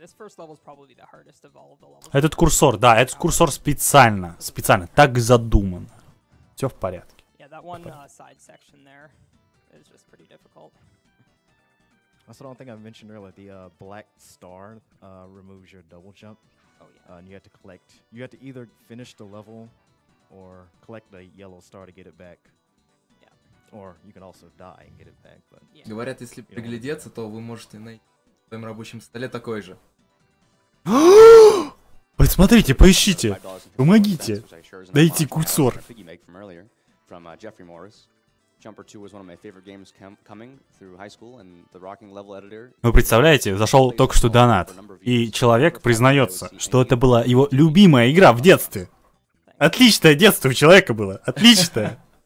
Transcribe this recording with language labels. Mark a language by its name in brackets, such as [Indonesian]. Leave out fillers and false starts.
[English] this first level is probably the hardest of all of the levels. [Russian] Этот курсор, да, этот курсор специально, так задуман. Все в порядке. [English] Yeah, that one side section there is just pretty difficult. Also, one thing I mentioned earlier, the black star removes your double jump. Oh yeah. And you have to collect. You have to either finish the level or collect the yellow star to get it back. Or you can also die and get it back, but... Yeah. [Russian] Говорят, если приглядеться, то вы можете найти в своем рабочем столе такой же. Посмотрите, поищите! Помогите! Найти курсор! [English] Jeffrey Morris. Jumper 2 was one of my favorite games coming through high school, and the rocking level editor... [Russian] Вы представляете, зашел только что донат, и человек признается, что это была его любимая игра в детстве. Отличное детство у человека было! Отличное!